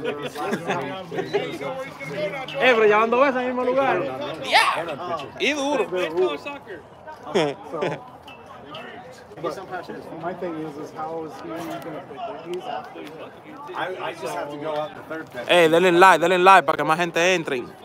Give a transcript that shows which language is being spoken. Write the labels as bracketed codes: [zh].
[es] Pero ya van dos veces en el mismo lugar. Y duro. [en] But my thing is how is he going to pick rookies? I just have to go out the third pick. [es] Hey, denle like, para que más gente entre.